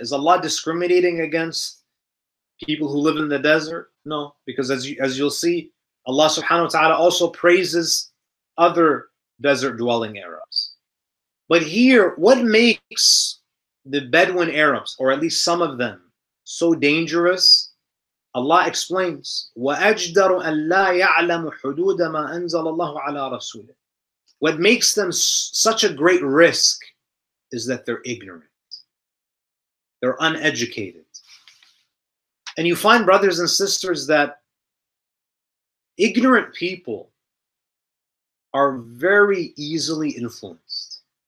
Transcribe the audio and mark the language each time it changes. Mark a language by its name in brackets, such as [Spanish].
[English] Is Allah discriminating against people who live in the desert? No, because as you'll see, Allah subhanahu wa ta'ala also praises other desert-dwelling Arabs. But here, what makes the Bedouin Arabs, or at least some of them, so dangerous? Allah explains, [Arabic] وَأَجْدَرُ أَن لَا يَعْلَمُ حُدُودَ مَا أَنزَلَ اللَّهُ عَلَىٰ رَسُولِهِ. [English] What makes them such a great risk is that they're ignorant. They're uneducated. And you find, brothers and sisters, that ignorant people are very easily influenced.